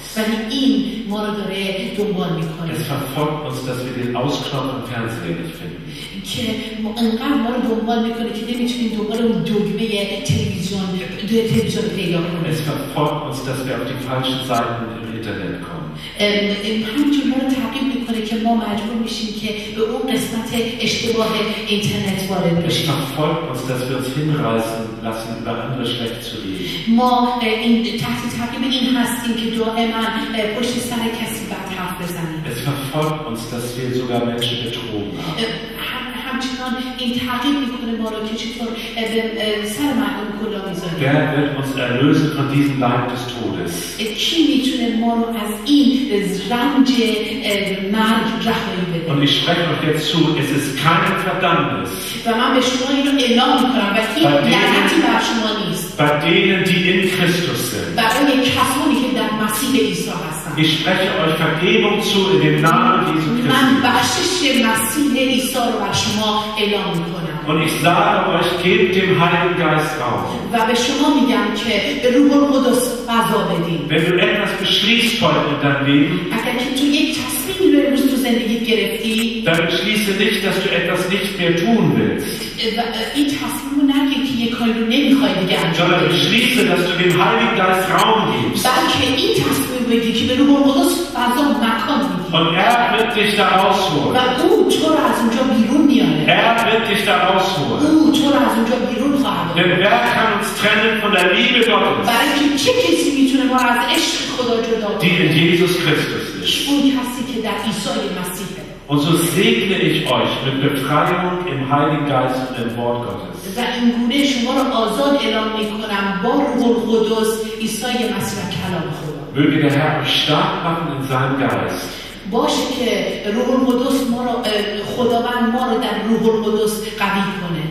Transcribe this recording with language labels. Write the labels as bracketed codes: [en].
[fa] ولی این ما رو داره دنبال میکنه. [de] Es verfolgt uns, dass wir den Ausknopf im Fernsehen nicht finden. [fa] که انقدر ما رو دنبال میکنه که نمیتونیم دوباره اون دوگمه تلویزیون پیدا کنیم. [de] Es verfolgt uns, dass wir auf die falschen Seiten im Internet kommen. [fa] همینجور ما رو تعقیب میکنه که ما مجبور میشیم که به اون قسمت اشتباه اینترنت وارد بشیم. [de] Es verfolgt uns, dass wir uns hinreißen lassen, über andere schlecht zu reden. [fa] ما تحت تعقیب این هستیم که دائما پشت سر کسی بد حرف بزنیم. [de] Es verfolgt uns, dass wir sogar Menschen betrogen haben. [fa] همچنان این تعقیب میکنه ما رو که چطور به سر مردم کلا میذاریم. [de] Wer wird uns erlösen von diesem Leib des Todes? [fa] کی میتونه ما رو از این رنج مرگ رهایی بده؟ [de] Und ich spreche euch jetzt zu, es ist keine Verdammnis. [fa] و من به شما اینو اعلام میکنم و این لعنتی بر شما نیست. [de] Bei denen, die in Christus sind. [fa] برای کسانی که در مسیح عیسی هستند. [de] Ich spreche euch Vergebung zu in dem Namen Jesu Christi. [fa] من بخشش مسیح عیسی رو بر شما اعلام میکنم. [de] Und ich sage euch, gebt dem Heiligen Geist Raum. [fa] و به شما میگم که روح القدس فضا بدین. [de] Wenn du etwas beschließt heute in deinem Leben, [fa] اگر که تو یک تصمیم رو امروز تو زندگیت گرفتی, [de] dann beschließe nicht, dass du etwas nicht mehr tun willst. [fa] این تصمیم رو نگیر که یک کاری رو نمیخوای دیگه انجام بدی. [de] Sondern beschließe, dass du dem Heiligen Geist Raum gibst. [fa] بلکه این تصمیم رو بگیر که به روح القدس فضا و مکان بدی. [de] Und wird dich da rausholen. [fa] و او تو رو از اونجا بیرون میاره. [de] Wird dich da rausholen. [fa] او تو رو از اونجا بیرون خواهد برد. [de] Denn wer kann uns trennen von der Liebe Gottes? [fa] برای اینکه چه کسی میتونه ما رو از عشق خدا جدا کنه؟ [de] Die in Jesus Christus ist. [fa] اونی هستی که در عیسی مسیح. [de] Und so segne ich euch mit Befreiung im Heiligen Geist und im Wort Gottes. [fa] و این گونه شما رو آزاد اعلام میکنم با روح القدس عیسی مسیح کلام خدا. [de] Möge der Herr euch stark machen in seinem Geist. [fa] باشه که روح القدس ما رو خداوند ما رو در روح القدس قوی کنه